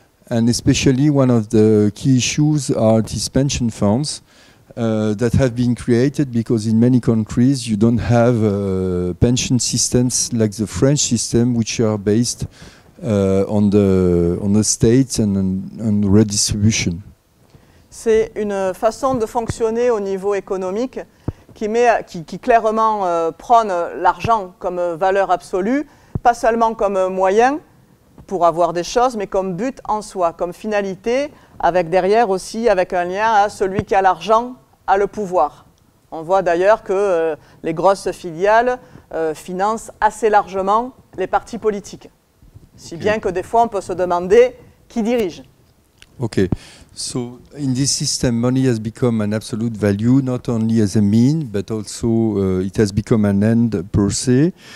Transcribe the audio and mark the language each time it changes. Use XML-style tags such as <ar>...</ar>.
<en>and especially one of the key issues are these pension funds that have been created because in many countries you don't have pension systems like the French system, which are based on the state and on redistribution.</en> <fr>C'est une façon de fonctionner au niveau économique qui clairement prône l'argent comme valeur absolue, pas seulement comme moyen pour avoir des choses, mais comme but en soi, comme finalité, avec derrière aussi, avec un lien à celui qui a l'argent a le pouvoir. On voit d'ailleurs que les grosses filiales financent assez largement les partis politiques. Si bien que des fois on peut se demander qui dirige.</fr> <en>Okay, so in this system, money has become an absolute value, not only as a mean, but also it has become an end per se.</en>